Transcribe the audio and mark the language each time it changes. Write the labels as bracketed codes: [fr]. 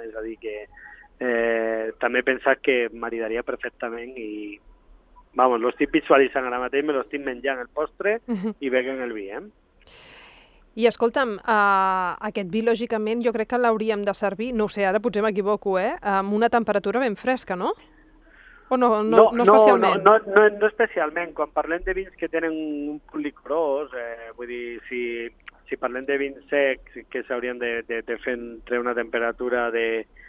[ca] És a dir, que també he pensat que maridaria perfectament i... [es] Vamos, lo estoy visualizando ahora mateix, me lo estoy menjant el postre [ca] i veguen el vi, [es] eh? [ca] I escolta'm, aquest vi, lògicament, jo crec que l'hauríem de servir, no ho sé, ara potser m'equivoco, amb una temperatura ben fresca, no? O no especialment? No, especialment. Quan parlem de vins que tenen un punt licorós, vull dir, si parlem de vins secs que s'haurien de fer entre una temperatura de...